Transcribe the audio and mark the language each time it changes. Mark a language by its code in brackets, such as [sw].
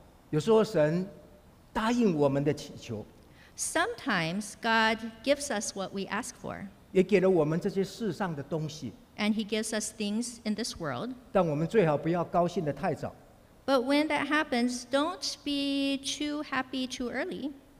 [zh] 有时候神答应我们的祈求。 [en] Sometimes God gives us what we ask for. [zh] 也给了我们这些世上的东西。 [en] And he gives us things in this world. [zh] 但我们最好不要高兴得太早。 [en] But when that happens, don't be too happy too early.